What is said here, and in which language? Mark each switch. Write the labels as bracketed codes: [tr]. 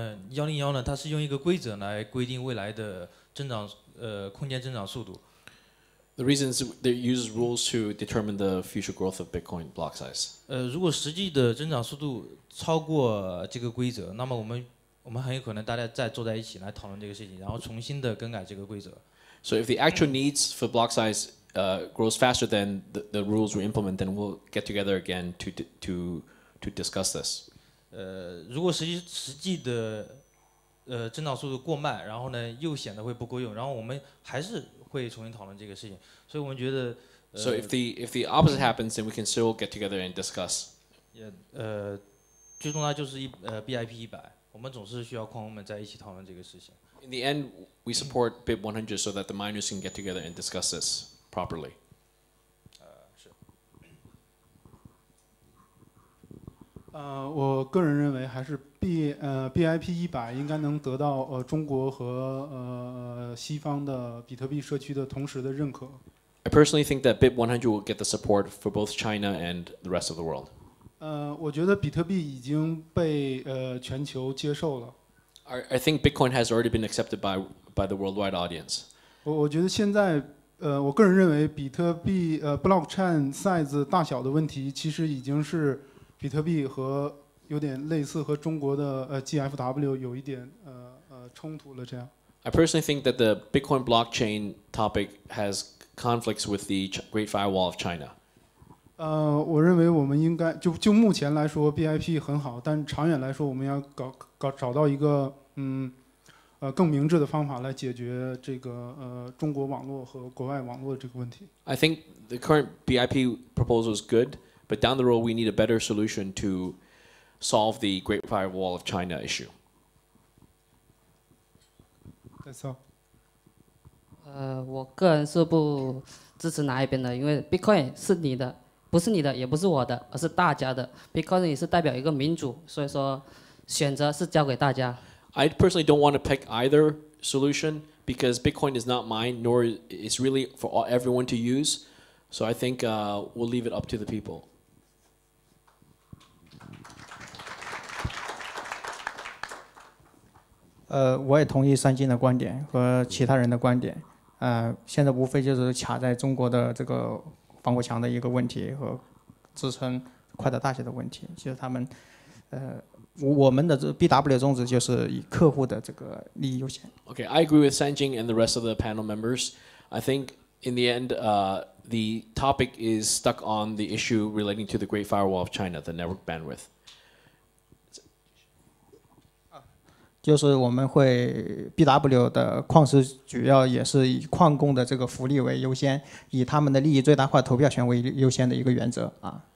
[zh] 101 呢，它是用一个规则来规定未来的增长，空间增长速度。 [en] The reason is they use rules to determine the future growth of Bitcoin block size. [zh] 如果实际的增长速度超过这个规则，那么我们很有可能大家再坐在一起来讨论这个事情，然后重新的更改这个规则。 [en] So if the actual needs for block size grows faster than the rules we implement, then we'll get together again to discuss this. [zh] 如果实际的增长速度过慢，然后呢又显得会不够用，然后我们还是会重新讨论这个事情。所以我们觉得。 [en] So if the opposite happens, then we can still get together and discuss. [zh] 最重要就是BIP 100，我们总是需要矿工们在一起讨论这个事情。 [en] In the end, we support BIP 100 so that the miners can get together and discuss this properly. [zh] 我个人认为还是 BIP 100应该能得到中国和西方的比特币社区的同时的认可。 [en] I personally think that BIP 100 will get the support for both China and the rest of the world. [zh] 我觉得比特币已经被全球接受了。 [en] I think Bitcoin has already been accepted by the worldwide audience. [zh] 我觉得现在我个人认为比特币 blockchain size 大小的问题其实已经是比特币和有点类似和中国的GFW 有一点冲突了这样。 [en] I personally think that the Bitcoin blockchain topic has conflicts with the Great Firewall of China. [zh] 我认为我们应该就目前来说 BIP 很好，但长远来说我们要找到一个更明智的方法来解决这个中国网络和国外网络的这个问题。 I think the current BIP proposal is good. But down the road, we need a better solution to solve the Great Firewall of China issue. [en] That's all. [zh] 我个人是不支持哪一边的，因为 Bitcoin 是你的，不是你的，也不是我的，而是大家的。 Bitcoin 也是代表一个民主，所以说选择是交给大家。 [en] I personally don't want to pick either solution because Bitcoin is not mine, nor is really for everyone to use. So I think we'll leave it up to the people. [zh] 我也同意三金的观点和其他人的观点。现在无非就是卡在中国的这个防火墙的一个问题和支撑快的大小的问题，就是他们我们的 BW 的宗旨就是以客户的这个利益优先。 [en] Okay, I agree with Sanjing and the rest of the panel members. I think in the end, the topic is stuck on the issue relating to the Great Firewall of China, the network bandwidth. [zh] 就是我们会 BW 的矿石主要也是以矿工的这个福利为优先，以他们的利益最大化投票权为优先的一个原则啊。